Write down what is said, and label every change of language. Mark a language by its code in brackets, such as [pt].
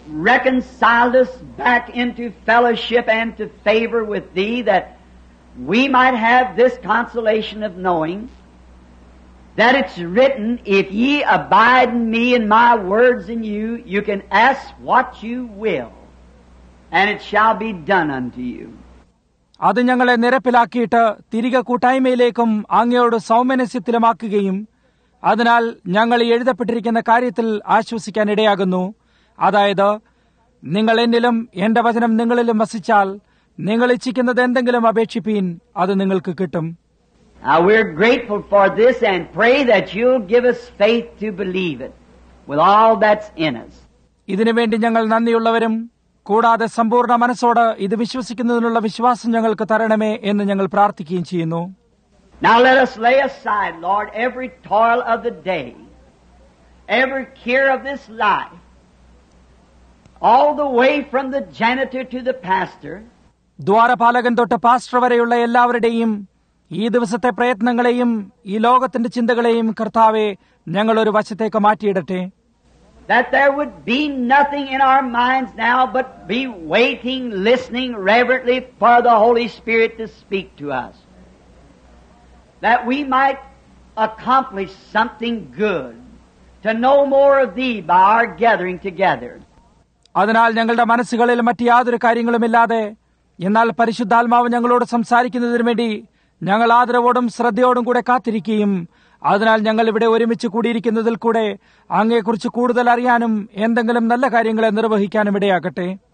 [en] Reconciled us back into fellowship and to favor with thee, that we might have this consolation of knowing that it's written, if ye abide in me and my words in you, you can ask what you will and it shall be done unto you. [ml] അത് ഞങ്ങളെ നിരപ്പിലാക്കിയിട്ട് തിരികെ കൂട്ടായ്മയിലേക്കും അങ്ങയോട് സൗമനസ്യത്തിലുമാക്കുകയും അതിനാൽ ഞങ്ങൾ എഴുതപ്പെട്ടിരിക്കുന്ന കാര്യത്തിൽ ആശ്വസിക്കാൻ ഇടയാകുന്നു. അതായത്, നിങ്ങൾ എന്നിലും എന്റെ വചനം നിങ്ങളിലും വസിച്ചാൽ നിങ്ങൾ ഇച്ഛിക്കുന്നത് എന്തെങ്കിലും അപേക്ഷിപ്പീൻ, അത് നിങ്ങൾക്ക് കിട്ടും. [en] Now we're grateful for this and pray that you'll give us faith to believe it with all that's in us. [ml] ഇതിനു വേണ്ടി ഞങ്ങൾ നന്ദിയുള്ളവരും, കൂടാതെ സമ്പൂർണ്ണ മനസ്സോട് ഇത് വിശ്വസിക്കുന്നതിനുള്ള വിശ്വാസം ഞങ്ങൾക്ക് തരണമേ എന്ന് ഞങ്ങൾ പ്രാർത്ഥിക്കുകയും ചെയ്യുന്നു. [en] Now let us lay aside, Lord, every toil of the day, every care of this life, all the way from the janitor to the pastor, [ml] ദ്വാരപാലകൻ തൊട്ട് പാസ്റ്റർ വരെയുള്ള എല്ലാവരുടെയും ഈ ദിവസത്തെ പ്രയത്നങ്ങളെയും ഈ ലോകത്തിന്റെ ചിന്തകളെയും കർത്താവെ ഞങ്ങൾ ഒരു വശത്തേക്ക് മാറ്റിയിടട്ടെ. [en] That there would be nothing in our minds now but be waiting, listening reverently for the Holy Spirit to speak to us, that we might accomplish something good, to know more of thee by our gathering together. [ml] അതിനാൽ ഞങ്ങളുടെ മനസ്സുകളിൽ മറ്റ് യാതൊരു കാര്യങ്ങളുമില്ലാതെ, എന്നാൽ പരിശുദ്ധാത്മാവ് ഞങ്ങളോട് സംസാരിക്കുന്നതിന് വേണ്ടി ഞങ്ങൾ ആദരവോടും ശ്രദ്ധയോടും കൂടെ കാത്തിരിക്കുകയും അതിനാൽ ഞങ്ങൾ ഇവിടെ ഒരുമിച്ച് കൂടിയിരിക്കുന്നതിൽ കൂടെ അങ്ങയെക്കുറിച്ച് കൂടുതൽ അറിയാനും എന്തെങ്കിലും നല്ല കാര്യങ്ങളെ നിർവഹിക്കാനും ഇടയാകട്ടെ.